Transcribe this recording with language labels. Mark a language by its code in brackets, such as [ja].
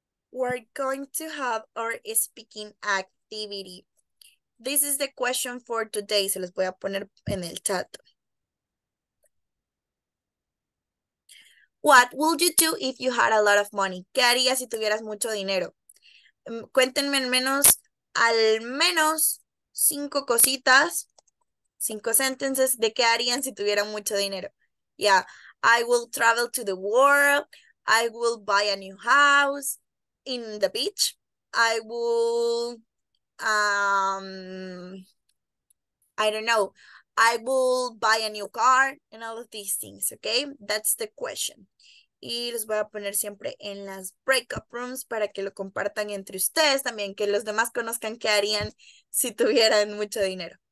[en] We're going to have our speaking activity. This is the question for today. [es] Se los voy a poner en el chat. [en] What would you do if you had a lot of money? [es] ¿Qué harías si tuvieras mucho dinero? Cuéntenme al menos cinco cositas, cinco sentences de qué harían si tuvieran mucho dinero. [en] Yeah, I will travel to the world. I will buy a new house. In the beach, I will, I don't know, I will buy a new car and all of these things, okay? That's the question. [es] Y los voy a poner siempre en las breakup rooms para que lo compartan entre ustedes también, que los demás conozcan qué harían si tuvieran mucho dinero.